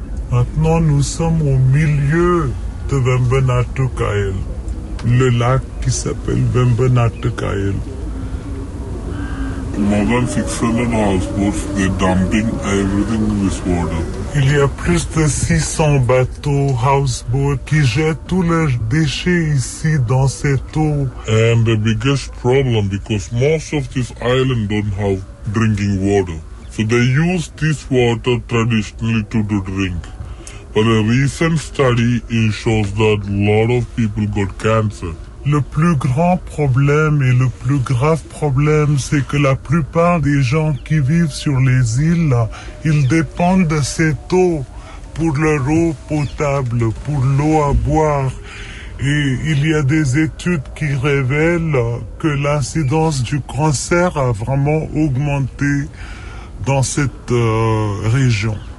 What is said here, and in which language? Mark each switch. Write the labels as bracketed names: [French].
[French] Maintenant, nous sommes au milieu de Vembanatukael, le lac qui s'appelle Vembanatukael. [English] More than 600 houseboats, they're dumping everything in this water. [French] Il y a plus de 600 bateaux, houseboats, qui jettent tous leurs déchets ici dans cette eau. [English] And the biggest problem, because most of this island don't have drinking water. So they use this water traditionally to drink. But a recent study shows that a lot of people got cancer. [French] Le plus grand problème et le plus grave problème, c'est que la plupart des gens qui vivent sur les îles, ils dépendent de cette eau pour leur eau potable, pour l'eau à boire. Et il y a des études qui révèlent que l'incidence du cancer a vraiment augmenté dans cette région.